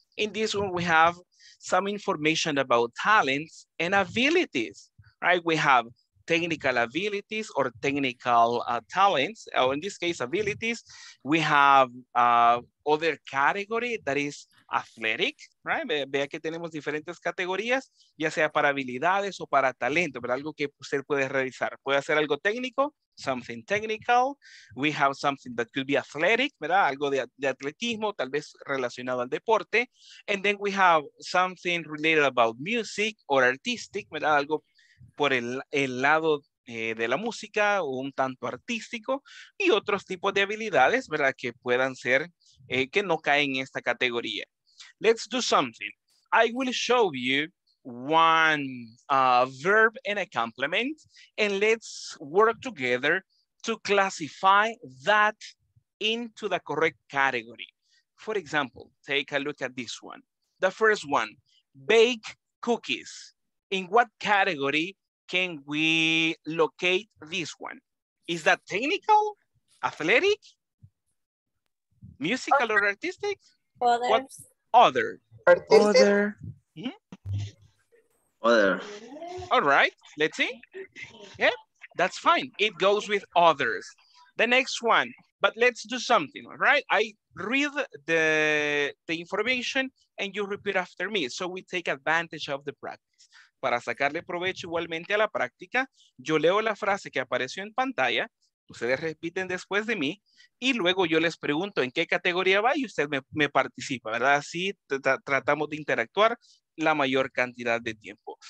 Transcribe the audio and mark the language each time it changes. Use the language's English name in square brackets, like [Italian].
[English] In this one, we have some information about talents and abilities, right? We have technical abilities or technical talents, or in this case, abilities. We have other category that is athletic, right? [Spanish] Vea que tenemos diferentes categorías, ya sea para habilidades o para talento, pero algo que usted puede realizar. Puede hacer algo técnico, [English] something technical. We have something that could be athletic, ¿verdad? [Spanish] Algo de atletismo, tal vez relacionado al deporte. [English] And then we have something related about music or artistic, ¿verdad? [Spanish] Algo por el lado de la música, un tanto artístico, y otros tipos de habilidades, ¿verdad? Que puedan ser, que no caen en esta categoría. [English] Let's do something. I will show you one verb and a complement, and let's work together to classify that into the correct category. For example, take a look at this one. The first one, bake cookies. In what category can we locate this one? Is that technical, athletic, musical, or artistic? Others. What? Other. Artistic. Other. Other. All right, let's see. Yeah, that's fine. It goes with others. The next one, but let's do something, all right? I read the information and you repeat after me. So we take advantage of the practice. [Spanish] Para sacarle provecho igualmente a la práctica, yo leo la frase que apareció en pantalla, ustedes repiten después de mí, y luego yo les pregunto en qué categoría va y usted me participa, ¿verdad? Así tratamos de interactuar la mayor cantidad de tiempo.